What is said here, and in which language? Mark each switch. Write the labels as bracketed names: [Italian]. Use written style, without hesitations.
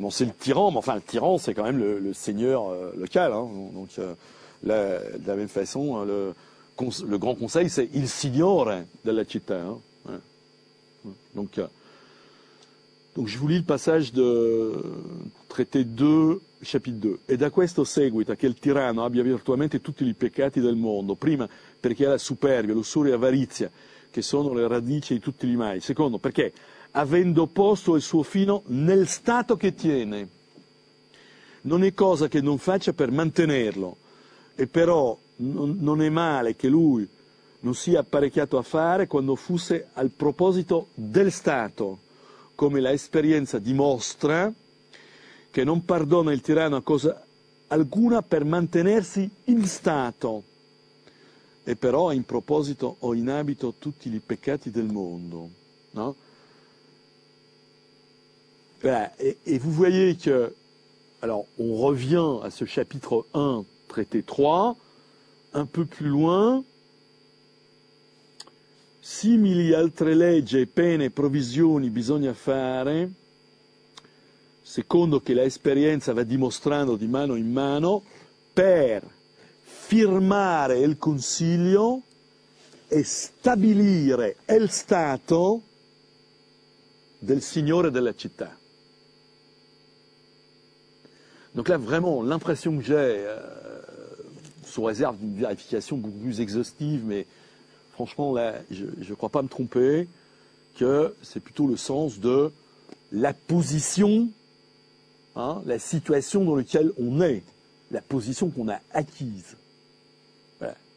[French] Bon, c'est le tyran, mais enfin le tyran, c'est quand même le seigneur local. Hein. Donc là, de la même façon, le grand conseil, c'est [Italian] il signore della città. [French] Hein. Ouais. Donc je vous lis le passage de traité 2, chapitre 2. [Italian] E da questo seguita che il tirano abbia virtualmente tutti i peccati del mondo, prima perché ha la superbia, l'usura e l'avarizia, che sono le radici di tutti i mali. Secondo, perché avendo posto il suo fino nel stato che tiene, non è cosa che non faccia per mantenerlo, e però non è male che lui non sia apparecchiato a fare quando fosse al proposito del stato, come la esperienza dimostra, che non perdona il tirano a cosa alcuna per mantenersi in stato, e però in proposito o in abito tutti i peccati del mondo. No? [French] Voilà. Et vous voyez que, alors on revient à ce chapitre 1, traité 3, un peu plus loin. [Italian] Simili altre leggi, pene, provisioni bisogna fare, secondo che l'esperienza va dimostrando di mano in mano, per firmare il consiglio e stabilire il stato del signore della città. [French] Donc là, vraiment, l'impression que j'ai, sous réserve d'une vérification beaucoup plus exhaustive, mais franchement, là, je ne crois pas me tromper, que c'est plutôt le sens de la position, hein, la situation dans laquelle on est, la position qu'on a acquise. Voilà.